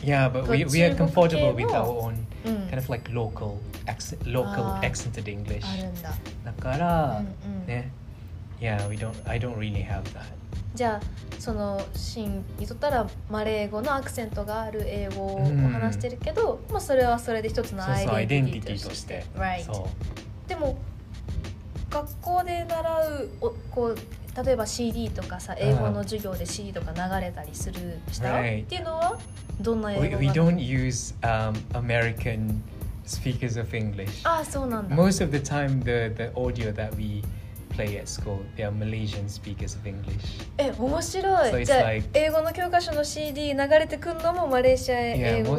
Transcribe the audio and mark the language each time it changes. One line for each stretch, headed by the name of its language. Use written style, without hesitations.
English: Yeah, but we are comfortable with our own kind of like local accent, local accented English.
Japanese: あるんだ。だから、ね。
English: Yeah, I don't really have that.
Japanese: じゃあそのシーンにとったらマレー語のアクセントがある英語を話してるけど、まあそれはそれで一つのそうそうアイデンティティとして。
English: Right.
Japanese: そう。でも学校で習うこう例えば CD とかさ、英語の授業で CD とか流れたりするした、
English: right.
Japanese: っていうのはどんな英語
English: が We don't use American speakers of English.
Japanese: ああ、そうなんだ。
English: Most of the time, the audio that we play at school, they are Malaysian speakers of English.
Japanese: え、面白い。
English: So it's like,
Japanese: じゃあ、英語の教科書の CD 流れてくるのもマレーシア英語は